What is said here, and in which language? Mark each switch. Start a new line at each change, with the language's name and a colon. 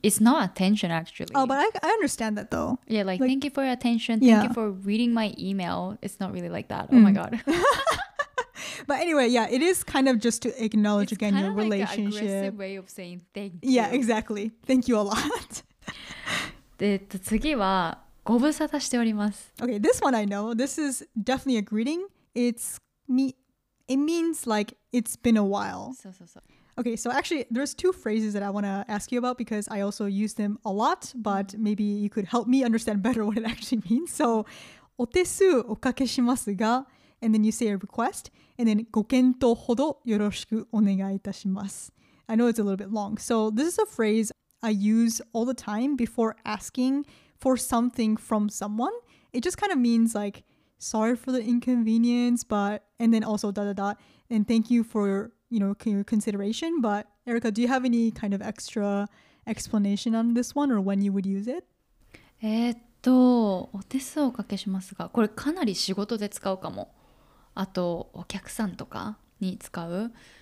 English: It's not attention, actually. Oh, but I understand that, though. Yeah, like, thank you for your attention. Thank you for reading my email. It's not really like that. Oh, my God. But anyway, yeah, it is kind of just to acknowledge, again, your relationship. It's kind of like an aggressive way of saying thank you. Yeah, exactly. Thank you a lot.
Japanese: で、次は、ご無沙汰しております。
English: Okay, this one I know. This is definitely a greeting. It means like it's been a while. So, so, so. Okay, so actually there's two phrases that I want to ask you about because I also use them a lot, but maybe you could help me understand better what it actually means. So,
Japanese: お手数おかけしますが,
English: and then you say a request, and then
Japanese: ご検討ほどよろしくお願いいたします.
English: I know it's a little bit long. So this is a phrase I use all the time before asking for something from someone. It just kind of means like,Sorry for the inconvenience, but, and then also dot, dot, dot, and thank you for, you know, your consideration. But Erica, do you have any kind of extra explanation on this one or when you would use it?
Japanese: お手数をおかけしますが、これかなり仕事で使うかも。あと、お客さんとかに使う。